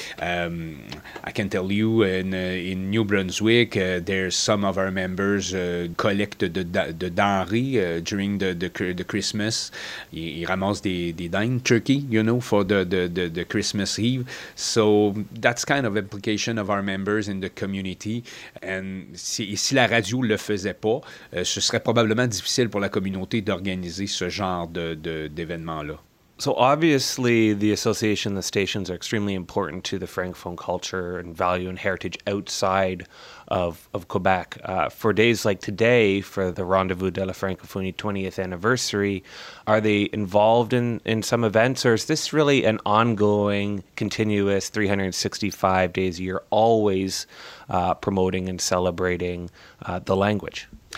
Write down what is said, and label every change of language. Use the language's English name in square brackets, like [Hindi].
[English] I can tell you in New Brunswick, there's some of our members collect the denrées during the Christmas. [French] Ils ramassent des dindes, [English] turkey, you know, for the Christmas Eve. So that's kind of implication of our members in the community. [French] And si la radio le faisait pas, ce serait probablement difficile pour la communauté d'organiser ce genre de d'événement-là. [English] So obviously the association, the stations are extremely important to the Francophone culture and value and heritage outside of Quebec. For days like today, for the Rendezvous de la Francophonie 20th anniversary, are they involved in some events, or is this really an ongoing, continuous 365 days a year, always promoting and celebrating the language?